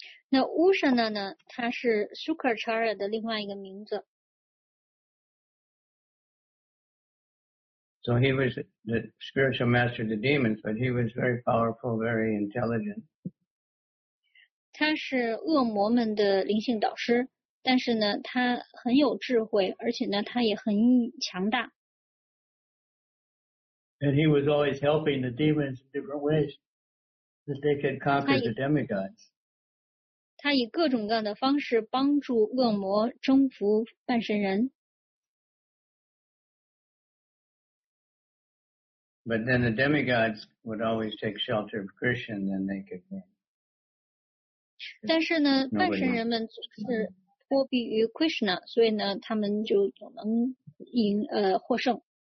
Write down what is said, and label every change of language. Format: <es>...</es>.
<zh>那 Ushana 呢？它是 Shukracharya 的另外一个名字。</zh> <en>So he was the spiritual master of the demons, but he was very powerful, very intelligent.</en> <zh>他是恶魔们的灵性导师，但是呢，他很有智慧，而且呢，他也很强大。</zh> <en>And he was always helping the demons in different ways that they could conquer the demigods.</en> <zh>他以各种各样的方式帮助恶魔征服半神人。</zh> <en>But then the demigods would always take shelter of Krishna, and then they could win.</en> <zh>但是呢，半神人们总是托庇于 Krishna， 所以呢，他们就总能赢获胜。</zh>